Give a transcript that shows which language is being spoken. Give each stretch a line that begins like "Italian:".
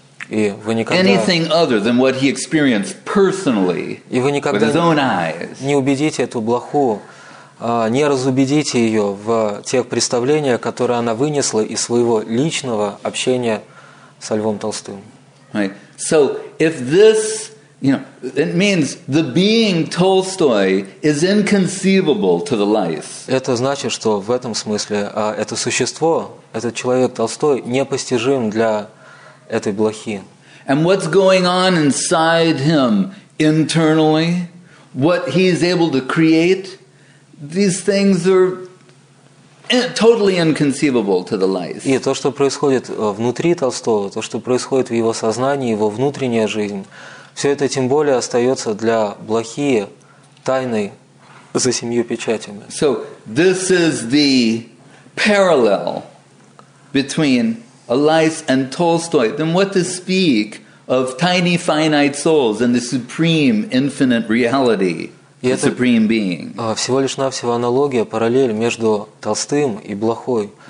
Russian: И вы никогда.
English: Anything other than what he experienced personally.
Russian: И вы никогда
English: with his own eyes.
Russian: Не убедите эту блоху, не разубедите ее в тех представлениях, которые она вынесла из своего личного общения со Львом Толстым.
English: Right. So if this you know, it means the being Tolstoy is inconceivable to the lice.
Russian: Это значит, что в этом смысле это существо, этот человек Толстой, непостижим для этой блохи.
English: And what's going on inside him internally, what he is able to create, these things are totally inconceivable to the lice.
Russian: И то, что происходит внутри Толстого, то, что происходит в его сознании, его внутренняя жизнь. Все это тем более остается для блохи тайной за семью печатями.
English: So this is the parallel between a lice and Tolstoy. Then what to speak of tiny finite souls and the supreme infinite reality, the supreme being?
Russian: Всего лишь навсего аналогия, параллель между Толстым и блохой.